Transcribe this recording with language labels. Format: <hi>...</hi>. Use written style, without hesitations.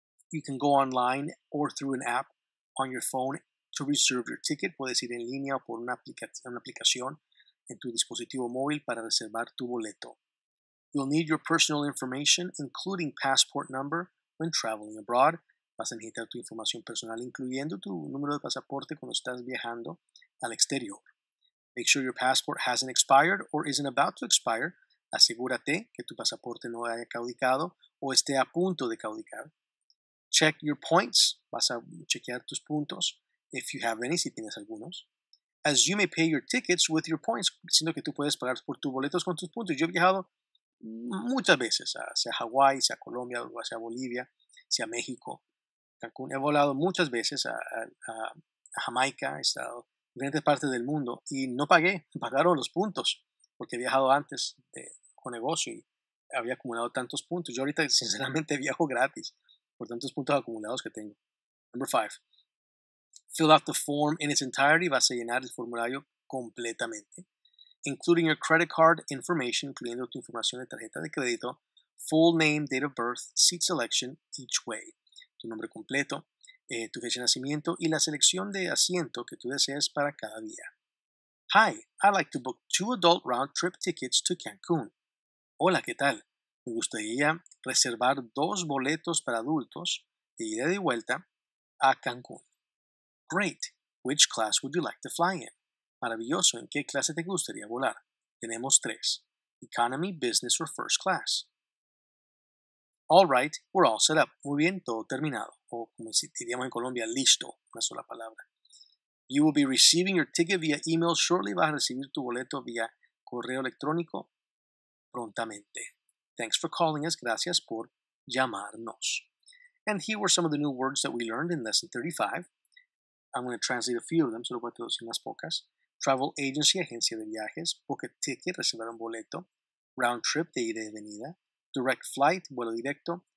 <en>You can go online or through an app on your phone to reserve your ticket.</en> <es>Puedes ir en línea o por una aplicación en tu dispositivo móvil para reservar tu boleto.</es> <en>You'll need your personal information, including passport number, when traveling abroad.</en> <es>Vas a necesitar tu información personal, incluyendo tu número de pasaporte cuando estás viajando al exterior.</es> <en>Make sure your passport hasn't expired or isn't about to expire</en> <es>Asegúrate que tu pasaporte no haya caducado o esté a punto de caducar.</es> <en>Check your points.</en> <es>Vas a chequear tus puntos.</es> <en>If you have any,</en> <es>si tienes algunos.</es> <en>As you may pay your tickets with your points.</en> <es>Sino que tú puedes pagar por tus boletos con tus puntos. Yo he viajado muchas veces, sea Hawái, sea Colombia, sea Bolivia, sea México, Cancún. He volado muchas veces a Jamaica, he estado en diferentes partes del mundo y no pagué, pagaron los puntos porque he viajado antes con negocio y había acumulado tantos puntos. Yo ahorita sinceramente viajo gratis por tantos puntos acumulados que tengo.</es> <en>Number five, fill out the form in its entirety.</en> <es>Vas a llenar el formulario completamente.</es> <en>Including your credit card information,</en> <es>incluyendo tu información de tarjeta de crédito,</es> <en>full name, date of birth, seat selection, each way.</en> <es>Tu nombre completo, tu fecha de nacimiento y la selección de asiento que tú deseas para cada día.</es> <en>Hi, I'd like to book 2 adult round trip tickets to Cancun.</en> <es>Hola, ¿qué tal? Me gustaría reservar 2 boletos para adultos de ida y vuelta a Cancun.</es> <en>Great, which class would you like to fly in?</en> <es>Maravilloso, ¿en qué clase te gustaría volar? Tenemos 3.</es> <en>Economy, business or first class. All right, we're all set up.</en> <es>Muy bien, todo terminado. O como diríamos en Colombia, listo, una sola palabra.</es> <en>You will be receiving your ticket via email shortly.</en> <es>Vas a recibir tu boleto vía correo electrónico prontamente.</es> <en>Thanks for calling us.</en> <es>Gracias por llamarnos.</es> <en>And here were some of the new words that we learned in lesson 35. I'm going to translate a few of them,</en> <es>solo voy a traducir unas pocas.</es> <en>Travel agency,</en> <es>agencia de viajes.</es> <en>Book a ticket,</en> <es>reservar un boleto.</es> <en>Round trip,</en> <es>de ida y venida.</es> <en>Direct flight,</en> <es>vuelo directo.</es>